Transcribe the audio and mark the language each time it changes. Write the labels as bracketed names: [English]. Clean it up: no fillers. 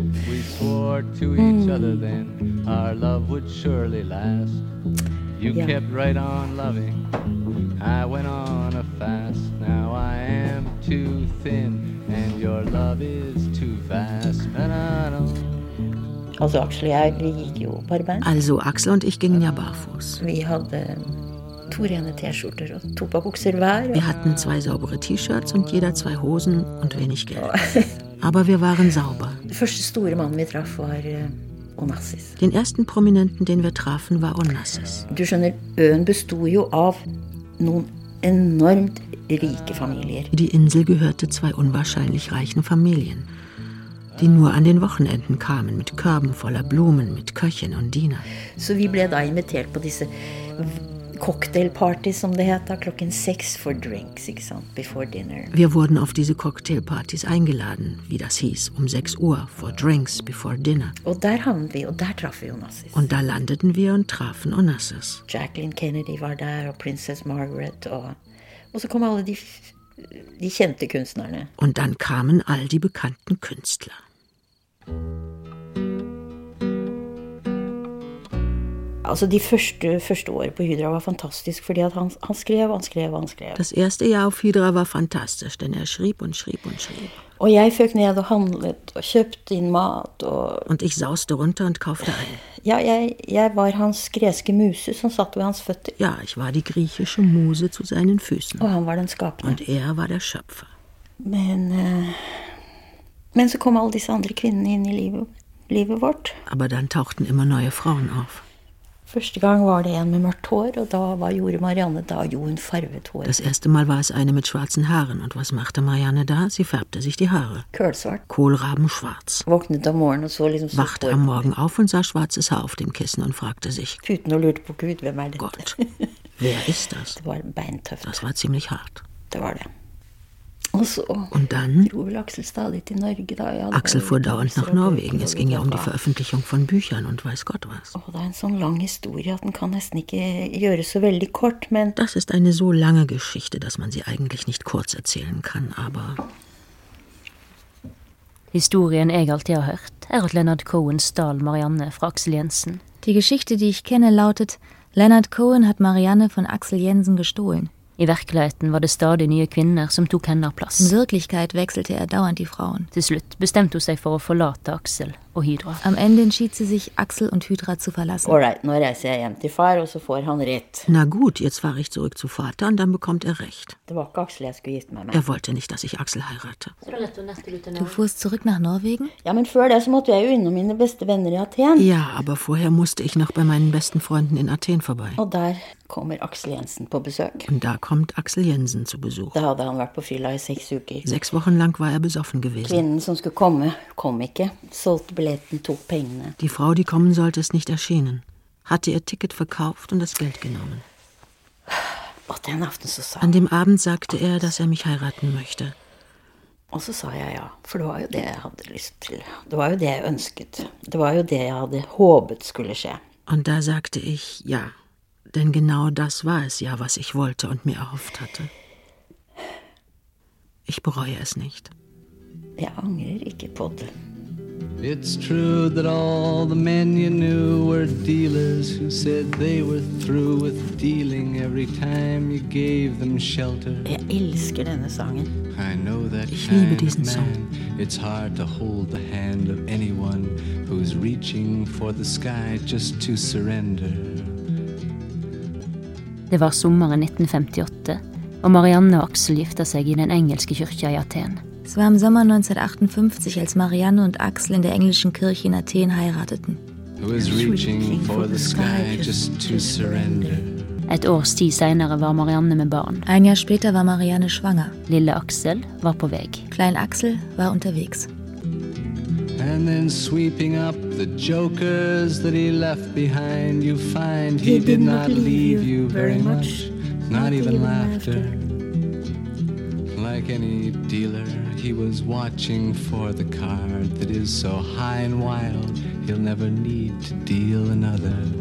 [English] We swore to each other then our love would surely last. You yeah. kept right on loving. I went on a fast. Now I am too thin and your love is too fast. And I don't. [Norwegian] Also Axel, vi gikk jo barbeint. [German] Also Axel und ich gingen ja barfuß. [Norwegian] Vi hadde to rene t-skjorter og to par bukser hver. Vi hadde [German] zwei saubere t-shirts und jeder zwei hosen und wenig geld. Aber wir waren sauber. [Norwegian] Den første store mannen vi traff var Onassis. [German] Den ersten prominenten den wir trafen var Onassis. [Norwegian] Du skjønner, øen bestod jo av noen enormt rike familier. [German] Die Insel gehörte zwei unwahrscheinlich reichen Familien. Die nur an den Wochenenden kamen, mit Körben voller Blumen, mit Köchen und Dienern. [Norwegian] Så vi ble da invitert på disse cocktailpartys, som det heter, klokken 6 [English] for drinks, [Norwegian] ikke sant, [English] before dinner. [German] Wir wurden auf diese cocktailpartys eingeladen, wie das hieß, 6 Uhr, [English] for drinks, before dinner. [Norwegian] Og der havnet vi, og der traf vi Onassis. [German] Und da landeten wir und trafen Onassis. [Norwegian] Jacqueline Kennedy var der, og Princess Margaret, og så kom alle de... Die kjente kunstnerne. [German] Und dann kamen all die bekannten Künstler. Also die [Norwegian] første år på Hydra var fantastisk, fordi at han skrev, han skrev, han skrev. [German] Das erste Jahr auf Hydra war fantastisch, denn er schrieb und schrieb und schrieb. [Norwegian] Og jeg føk ned og handlet og kjøpte inn mat og... [German] Und ich sauste runter und kaufte ein. [Norwegian] Ja, jeg var hans greske muse som satt ved hans føtter. [German] Ja, ich war die griechische Muse zu seinen Füßen. [Norwegian] Og han var den skapende. [German] Und er war der Schöpfer. [Norwegian] Men så kom alle disse andre kvinnene inn i livet vårt. [German] Aber dann tauchten immer neue Frauen auf. [Norwegian] Første gang var det en med mørkt hår, og da var gjorde Marianne da jo en farvet hår. [German] Das erste Mal war es eine mit schwarzen Haaren, und was machte Marianne da? Sie färbte sich die Haare. [Norwegian] Kølsvart. [German] Kohlrabenschwarz. [Norwegian] Våknet om morgenen og så liksom så [German] Wachte am Morgen auf und sah schwarzes Haar auf dem Kissen und fragte sich. [Norwegian] Puten og lurte på Gud, hvem dette? [German] Gott, wer ist das? [Norwegian] Det var beintøft. [German] Das war ziemlich hart. [Norwegian] Det var det. Og så [German] und dann, [Norwegian] Axel stadig til Norge da. Ja, [German] Axel fuhr dauernd nach Norwegen. Es ging ja um die Veröffentlichung von Büchern und weiß Gott was. [Norwegian] Oh, det er en sånn lang historie, den kan nesten ikke gjøre så veldig kort, men... [German] Das ist eine so lange Geschichte, dass man sie eigentlich nicht kurz erzählen kann, aber... [Norwegian] Historien jeg alltid har hørt at Leonard Cohen stahl Marianne fra Axel Jensen. [German] Die Geschichte, die ich kenne, lautet, Leonard Cohen hat Marianne von Axel Jensen gestohlen. [Norwegian] I virkeligheten var det stadig nye kvinner som tok henne av plass. [German] In Wirklichkeit wechselte er dauernd die Frauen. [Norwegian] Til slutt bestemte hun seg for å forlate Axel og Hydra. [German] Am Ende entschied sie sich, Axel und Hydra zu verlassen. [English] All right, [Norwegian] nå reiser jeg hjem til far, og så får han rett. [German] Na gut, jetzt fahre ich zurück zu Vater, und dann bekommt er recht. [Norwegian] Det var ikke Axel jeg skulle gifte meg med. [German] Er wollte nicht, dass ich Axel heirate. Du fuhrst zurück nach Norwegen? [Norwegian] Ja, men før det så måtte jeg jo innom mine beste venner i Athen. [German] Ja, aber vorher musste ich noch bei meinen besten Freunden in Athen vorbei. [Norwegian] Og der kommer Axel Jensen på besøk. [German] Und da kommt Axel Jensen zu Besuch. [Norwegian] Da hadde han vært på fylla i 6 uker. [German] 6 Wochen lang war er besoffen gewesen. [Norwegian] Kvinnen som skulle komme, kom ikke. Solgte billetten, tok pengene. [German] Die Frau, die kommen sollte, ist nicht erschienen. Hatte ihr Ticket verkauft und das Geld genommen. [Norwegian] Den aften så sa han. [German] An dem Abend sagte er, dass er mich heiraten möchte. [Norwegian] Og så sa jeg ja, for det var jo det jeg hadde lyst til. Det var jo det jeg ønsket. Det var jo det jeg hadde håpet skulle skje. Og da sagte jeg ja. [German] Denn genau das war es ja, was ich wollte und mir erhofft hatte. Ich bereue es nicht. [Norwegian] Jeg angrer ikke på det. [English] It's true that all the men you knew were dealers who said they were through with dealing every time you gave them shelter. [Norwegian] Jeg elsker denne sangen. [English] I know that kind of man. It's hard to hold the hand of anyone who's reaching for the sky just to surrender. [Norwegian] Det var sommeren 1958, og Marianne og Axel gifta seg i den engelske kirka i Aten. [German] Es war im Sommer 1958, als Marianne und Axel in der englischen Kirche in Athen heirateten. [English] Who is reaching for the sky just to surrender? [Norwegian] Et års tid senere var Marianne med barn. [German] Ein Jahr später war Marianne schwanger. [Norwegian] Lille Axel var på veg. [German] Klein Axel war unterwegs. [English] And then sweeping up the jokers that he left behind, you find he did not leave you very much, not even laughter. Like any dealer, he was watching for the card that is so high and wild, he'll never need to deal another.